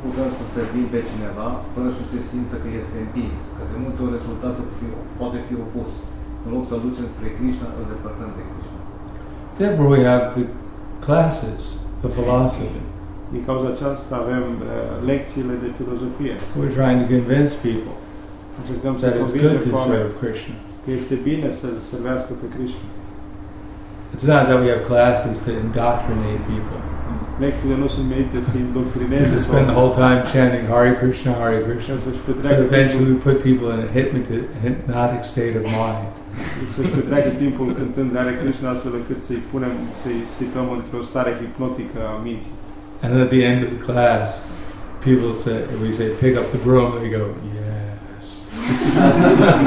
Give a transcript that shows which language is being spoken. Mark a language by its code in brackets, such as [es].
[ro] putem să servim pe cineva fără să se simtă că este împins, că de multe ori rezultatul poate fi opus. În loc să ducem spre Krishna, îl depărtăm de Krishna. [en] Therefore we have the classes of philosophy. [ro] Din cauza aceasta avem lecțiile de filozofie. [en] We're trying to convince people that it's good to serve Krishna. [ro] Că este bine să servească pe Krishna. [en] It's not that we have classes to indoctrinate people. [ro] Lecțiile nu sunt menite să indoctrineze. [en] To spend the whole time chanting Hare Krishna, Hare Krishna. [ro] Să își petreacă timpul. [en] So eventually we put people in a hypnotic state of mind. [ro] Să își petreacă timpul cântând Hare Krishna astfel încât să-i situăm într-o stare hipnotică a minții. [en] And at the end of the class, people say, we say, pick up the broom, they go, yes.